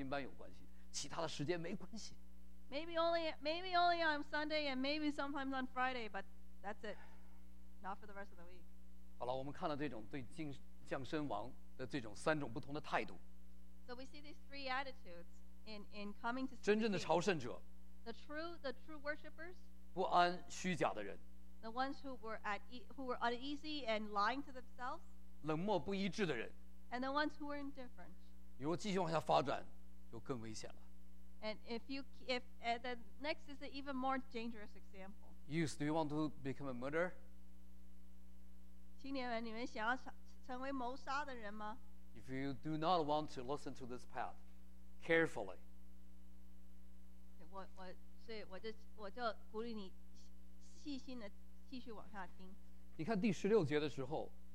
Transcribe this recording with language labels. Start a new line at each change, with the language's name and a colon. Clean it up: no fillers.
Chinese: 可能星期天有关系，星期五查经班有关系，其他的时间没关系。
English: Maybe only on Sunday and maybe sometimes on Friday, but that's it. Not for the rest of the week.
Chinese: 好了，我们看了这种对降生王的这种三种不同的态度。
English: So we see these three attitudes in coming to.
Chinese: 真正的朝圣者。
English: The true worshippers.
Chinese: 不安虚假的人。
English: The ones who were uneasy and lying to themselves.
Chinese: 冷漠不一致的人，
English: and the ones who are indifferent.
Chinese: 如果继续往下发展，就更危险了。
English: And if the next is an even more dangerous example. Youth, do you want to become a murderer?
Chinese: 青年们，你们想要成为谋杀的人吗？
English: If you do not want to listen to this path carefully.
Chinese: 我所以我就鼓励你细心的继续往下听。你看第十六节的时候。